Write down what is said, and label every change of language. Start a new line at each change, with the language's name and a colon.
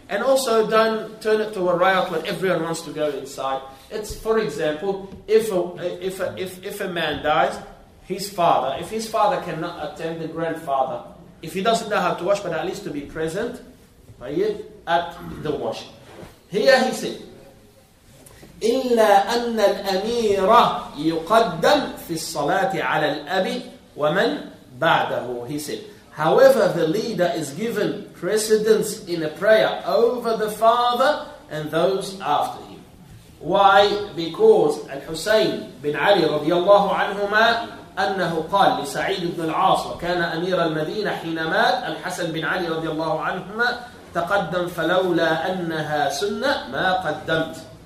English: And also don't turn it to a riot when everyone wants to go inside. It's, for example, if a man dies, if his father cannot attend, the grandfather, if he doesn't know how to wash, but at least to be present at the wash. Here he said,
Arabic: إلا أن الأميرة يقدم في الصلاة على الأبي ومن بعده.
English: He said, however, the leader is given precedence in a prayer over the father and those after him. Why? Because
Arabic: Al-Husayn bin Ali رضي الله عنهما أنه قال لسعيد بن العاص وكان أمير المدينة حين مات الحسن بن علي رضي الله عنهما تقدم فلولا أنها سنة ما قدمت.